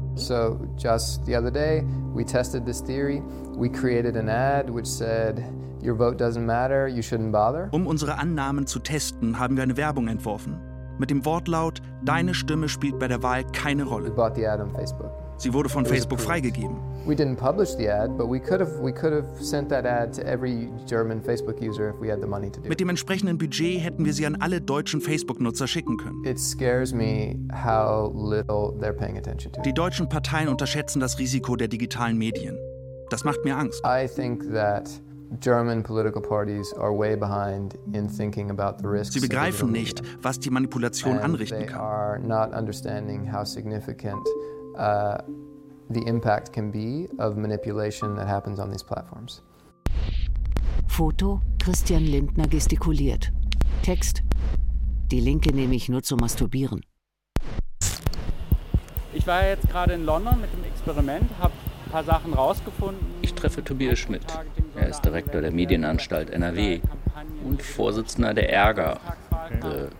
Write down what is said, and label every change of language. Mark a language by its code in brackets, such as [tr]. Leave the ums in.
[en] So just the other day we tested this theory. We created an ad which said your vote doesn't matter, you shouldn't bother. [de] Um unsere Annahmen zu testen, haben wir eine Werbung entworfen mit dem Wortlaut deine Stimme spielt bei der Wahl keine Rolle. Sie wurde von Facebook freigegeben. Mit dem entsprechenden Budget hätten wir sie an alle deutschen Facebook-Nutzer schicken können. Die deutschen Parteien unterschätzen das Risiko der digitalen Medien. Das macht mir Angst. Sie begreifen nicht, was die Manipulation anrichten kann. [en] They are not understanding significant uh, the impact can be of manipulation that happens on these platforms. [de] Foto: Christian Lindner gestikuliert. Text: Die Linke nehme ich nur zum Masturbieren. Ich war jetzt gerade in London mit dem Experiment, habe ein paar Sachen rausgefunden. Ich treffe Tobias Schmidt. Er ist Direktor der Medienanstalt NRW und Vorsitzender der ERGA, okay.